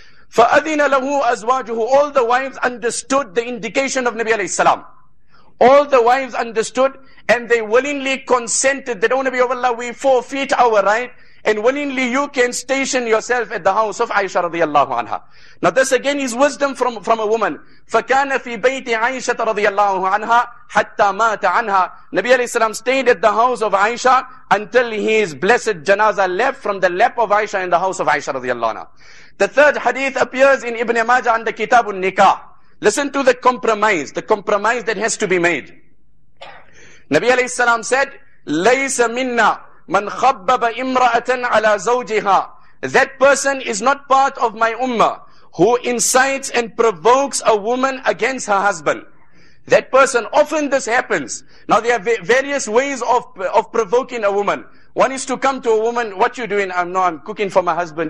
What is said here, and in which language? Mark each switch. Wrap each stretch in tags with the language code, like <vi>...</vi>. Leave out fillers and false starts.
<ar>فَأَذِنَ لَهُ أَزْوَاجُهُ.</ar> <en>All the wives understood the indication of Nabi alayhi salam. All the wives understood and they willingly consented that, O Nabi of Allah, we forfeit our right and willingly you can station yourself at the house of Aisha radiallahu anha. Now this again is wisdom from a woman.</en> <ar>فَكَانَ فِي بَيْتِ عَيْشَةَ رَضِيَ anha حَتَّى مَاتَ عَنْهَا.</ar> <en>Nabi alayhi salam stayed at the house of Aisha until his blessed janazah left from the lap of Aisha in the house of Aisha radiallahu anha. The third hadith appears in Ibn Majah under Kitabun Nikah. Listen to the compromise that has to be made. Nabi alayhi salam said,</en> <ar>لَيْسَ مِنَّا مَنْ خَبَّبَ إِمْرَأَةً عَلَى زَوْجِهَا.</ar> <en>That person is not part of my ummah who incites and provokes a woman against her husband. That person, often this happens. Now there are various ways of provoking a woman. One is to come to a woman, what you doing? I'm cooking for my husband.</en>